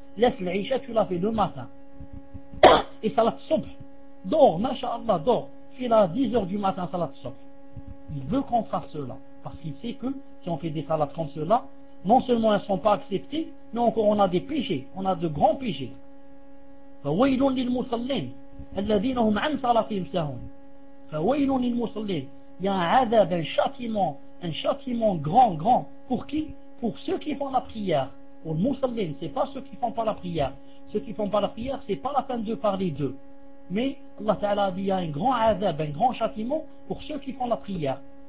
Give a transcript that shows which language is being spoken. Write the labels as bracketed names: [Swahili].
[French] Laisse l'isha, tu la fais le matin. Et salat sobh. Dors, masha'Allah, dors. Fais-la à 10h du matin, salat sobh. Il veut qu'on fasse cela. Parce qu'il sait que si on fait des salats comme cela, non seulement elles ne sont pas acceptées, mais encore on a des péchés. On a de grands péchés. [Arabic] فَوَيْلٌ لِلْمُصَلِّينَ الذين هم عن صلاتهم ساهون فويل للمصلين. [French] Il y a un adab, un châtiment grand pour qui? Pour ceux qui font la prière. Pour le musallin, c'est pas ceux qui font pas la prière. Ceux qui font pas la prière, c'est pas la peine de parler d'eux, mais Allah Ta'ala dit il y a un grand adab, un grand châtiment pour ceux qui font la prière.